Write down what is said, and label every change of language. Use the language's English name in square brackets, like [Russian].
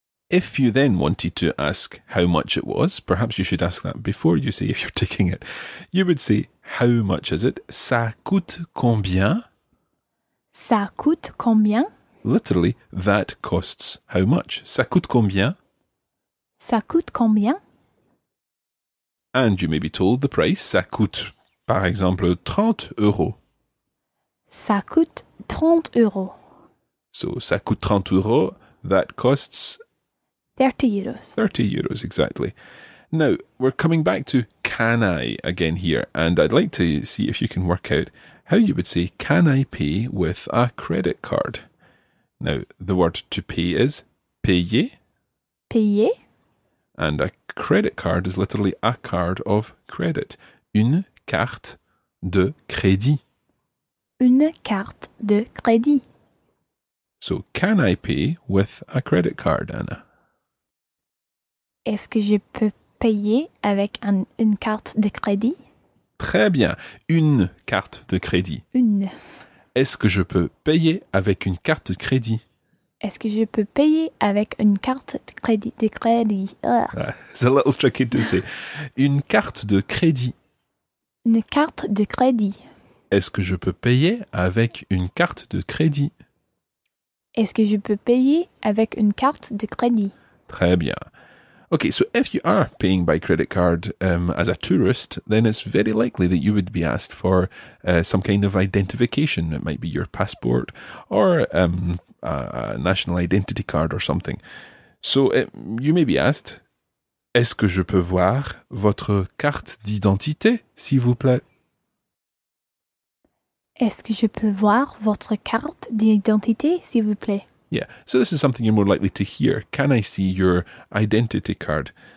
[English] If you then wanted to ask how much it was, perhaps you should ask that before you say if you're taking it. You would say, how much is it? [French] Ça coûte combien? Ça coûte combien? [English] Literally, that costs how much? [French] Ça coûte combien? Ça coûte combien? [English] And you may be told the price. [French] Ça coûte, par exemple, 30 euros. Ça coûte 30 euros. So, ça coûte 30 euros, [English] that costs... 30 euros. 30 euros, exactly. Now, we're coming back to can I again here, and I'd like to see if you can work out how you would say can I pay with a credit card? Now, the word to pay is payer. [French] Payer. [English] And a credit card is literally a card of credit. [French] Une carte de crédit. Une carte de crédit. [English] So, can I pay with a credit card, Anna? [French] Est-ce que je peux payer avec une carte de crédit? Très bien. Une carte de crédit. Une. Est-ce que je peux payer avec une carte de crédit? Est-ce que je peux payer avec une carte de crédit? [English] It's a little tricky to say. [French] Une carte de crédit. Une carte de crédit. Est-ce que je peux payer avec une carte de crédit? Est-ce que je peux payer avec une carte de crédit? Très bien. [English] Okay, so if you are paying by credit card as a tourist, then it's very likely that you would be asked for some kind of identification. It might be your passport or a national identity card or something. So you may be asked, [French] est-ce que je peux voir votre carte d'identité, s'il vous plaît? Est-ce que je peux voir votre carte d'identité, s'il vous plaît? [English] Yeah, so this is something you're more likely to hear. Can I see your identity card?